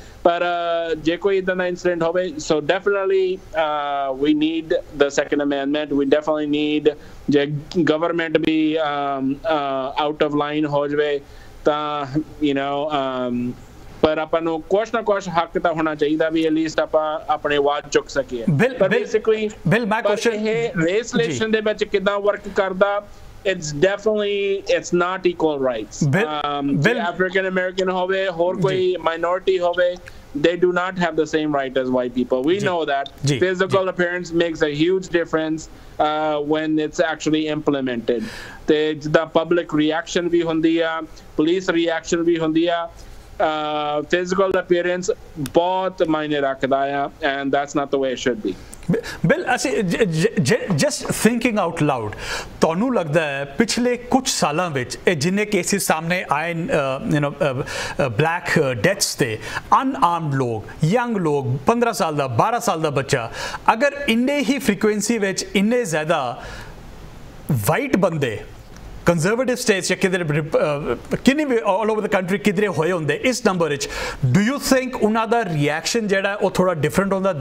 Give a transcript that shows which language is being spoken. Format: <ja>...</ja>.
<pa>ਪਰ ਜੇ ਕੋਈ ਇਦਾਂ ਦਾ ਇੰਸੀਡੈਂਟ ਹੋਵੇ, ਸੋ</pa> <en>definitely we need the second amendment, we definitely need,</en> <pa>ਜੇ government we</pa> <en>out of line</en> <pa>ਹੋ ਜਾਵੇ ਤਾਂ</pa> <en>you know,</en> <pa>ਪਰ ਆਪਾਂ ਨੂੰ ਕੁਛ ਨਾ ਕੁਛ ਹੱਕ ਤਾਂ ਹੋਣਾ ਚਾਹੀਦਾ ਵੀ ਐਟਲੀਸਟ ਆਪਾਂ ਆਪਣੇ ਆਵਾਜ਼ ਚੁੱਕ ਸਕੀਏ.</pa> <en>basically well my question</en> <pa>ਇਹ ਰੇਸ ਰਿਲੇਸ਼ਨ ਦੇ ਵਿੱਚ ਕਿੱਦਾਂ ਵਰਕ ਕਰਦਾ.</pa> <en>It's definitely, it's not equal rights. Bill, African-American</en> <pa>hove, hor koi minority hove,</pa> <en>they do not have the same right as white people. We know that. Physical appearance makes a huge difference when it's actually implemented. The public reaction</en> <pa>bhi hundi hai, police reaction bhi hundi hai.</pa> <en>Physical appearance</en> <pa>bahut maine rakhda hai,</pa> <en>and that's not the way it should be.</en> <pa>Bill ਅਸੀਂ</pa> <en>just thinking out loud,</en> <pa>ਤੁਹਾਨੂੰ ਲੱਗਦਾ ਹੈ ਪਿਛਲੇ ਕੁਛ ਸਾਲਾਂ ਵਿੱਚ ਇਹ ਜਿੰਨੇ ਕੇਸਿਸ ਸਾਹਮਣੇ ਆਏ ਯੂ ਨੋ ਬਲੈਕ ਡੈਥਸ ਤੇ, ਅਨਆਰਮਡ ਲੋਕ, ਯੰਗ ਲੋਕ, 15 ਸਾਲ ਦਾ, 12 ਸਾਲ ਦਾ ਬੱਚਾ, ਅਗਰ ਇੰਨੇ ਹੀ ਫ੍ਰੀਕੁਐਂਸੀ ਵਿੱਚ ਇੰਨੇ ਜ਼ਿਆਦਾ ਵਾਈਟ ਬੰਦੇ ਕੰਜ਼ਰਵੇਟਿਵ ਸਟੇਟਸ ਜਾਂ ਕਿਧਰੇ ਕਿੰਨੀ ਵੀ</pa> <en>all over the country</en> <pa>ਕਿਧਰੇ ਹੋਏ ਹੁੰਦੇ ਇਸ ਨੰਬਰ ਵਿੱਚ,</pa> <en>do you think</en> <pa>ਉਹਨਾਂ ਦਾ ਰਿਐਕਸ਼ਨ ਜਿਹੜਾ ਉਹ ਥੋੜ੍ਹਾ ਡਿਫਰੈਂਟ ਹੁੰਦਾ?</pa>